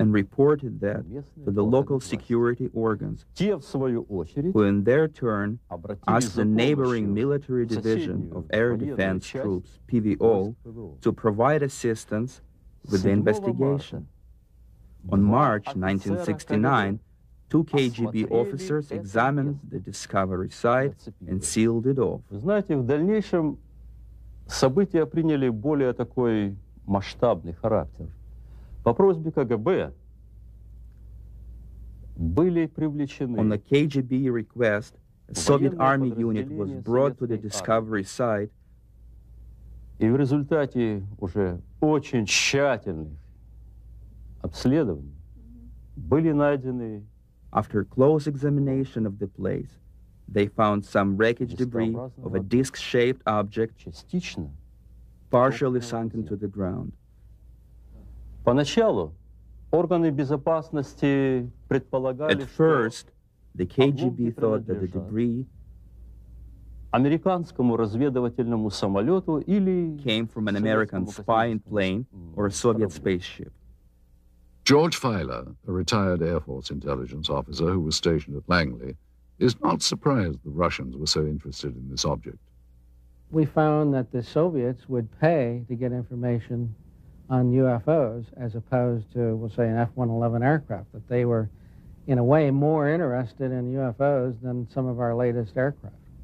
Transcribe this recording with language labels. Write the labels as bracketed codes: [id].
[en] and reported that to the local security organs, who in their turn asked the neighboring military division of air defense troops, PVO, to provide assistance with the investigation. On March 1969, two KGB officers examined the discovery site and sealed it off. [ru] Знаете, в дальнейшем события приняли более такой масштабный характер. По просьбе КГБ были привлечены. [en] On a KGB request, a Soviet army unit was brought to the discovery site. [ru] И в результате уже очень тщательных обследований были найдены. [en] After close examination of the place, they found some wreckage debris of a disc-shaped object, [ru] частично, [en] partially sunken to the ground. [ru] Поначалу органы безопасности предполагали, [en] at first, the KGB thought that the debris [ru] американскому разведывательному самолету или [en] came from an American spy plane or a Soviet spaceship. George Filer, a retired Air Force intelligence officer who was stationed at Langley, is not surprised the Russians were so interested in this object. We found that the Soviets would pay to get information on UFOs, as opposed to, we'll say, an F-111 aircraft, that they were, in a way, more interested in UFOs than some of our latest aircraft.